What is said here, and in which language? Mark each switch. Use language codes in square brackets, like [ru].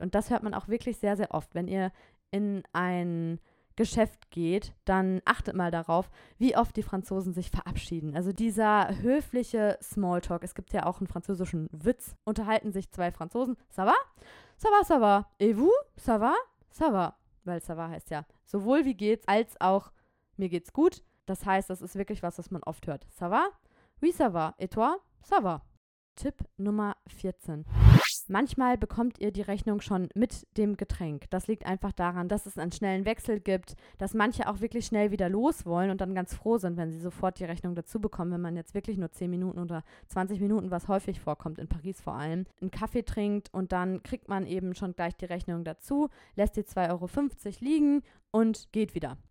[de] Und das hört man auch wirklich sehr, sehr oft, wenn ihr in ein Geschäft geht, dann achtet mal darauf, wie oft die Franzosen sich verabschieden. Also dieser höfliche Smalltalk, es gibt ja auch einen französischen Witz, unterhalten sich zwei Franzosen, [fr] ça va? Ça va, et vous, ça va, [de] weil [fr] ça va [de] heißt ja sowohl wie geht's, als auch mir geht's gut. Das heißt, das ist wirklich was, was man oft hört. [fr] Ça va, oui ça va, et toi, ça va. [de] Tipp Nummer 14. Manchmal bekommt ihr die Rechnung schon mit dem Getränk. Das liegt einfach daran, dass es einen schnellen Wechsel gibt, dass manche auch wirklich schnell wieder los wollen und dann ganz froh sind, wenn sie sofort die Rechnung dazu bekommen, wenn man jetzt wirklich nur 10 Minuten oder 20 Minuten, was häufig vorkommt, in Paris vor allem, einen Kaffee trinkt und dann kriegt man eben schon gleich die Rechnung dazu, lässt die 2,50 Euro liegen und geht wieder.